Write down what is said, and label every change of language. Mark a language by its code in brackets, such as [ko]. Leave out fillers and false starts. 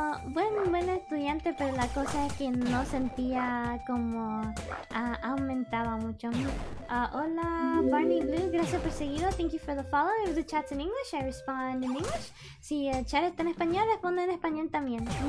[es] Buen estudiante, pero la cosa es que no sentía como aumentaba mucho. Hola, Barney Blue, gracias por seguido. [en] Thank you for the follow. If the chat's in English, I respond in English. [es] Si el chat está en español, respondo en español también.